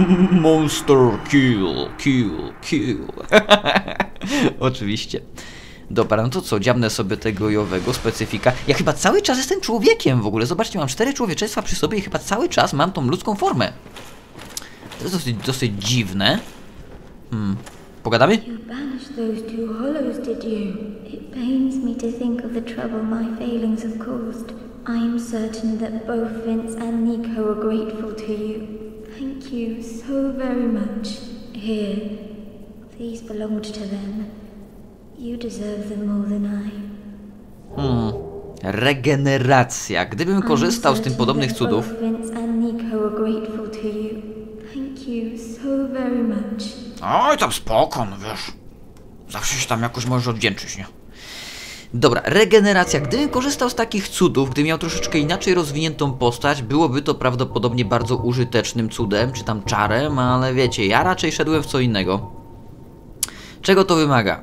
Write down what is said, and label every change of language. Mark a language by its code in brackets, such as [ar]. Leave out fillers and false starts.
[en] Monster kill, kill, kill. [pl] Oczywiście. Dobra, no to co, dziabnę sobie tego jowego specyfika. Ja chyba cały czas jestem człowiekiem w ogóle. Zobaczcie, mam cztery człowieczeństwa przy sobie i chyba cały czas mam tą ludzką formę. To jest dosyć, dosyć dziwne. Pogadamy? [en] You banished those two hollows, did you? It pains me to think of the trouble my failings have caused. I'm certain that both Vince and Nico are grateful to you. Thank you so very much. Here, these belonged to them. You deserve them more than I. [pl] Regeneracja. Gdybym korzystał z tym podobnych cudów. [en] Both Vince and Nico are grateful to you. Thank you so very much. [pl] Oj, tam spoko, no wiesz. Zawsze się tam jakoś możesz odwdzięczyć, nie? Dobra, regeneracja. Gdybym korzystał z takich cudów, gdy miał troszeczkę inaczej rozwiniętą postać, byłoby to prawdopodobnie bardzo użytecznym cudem, czy tam czarem, ale wiecie, ja raczej szedłem w co innego. Czego to wymaga?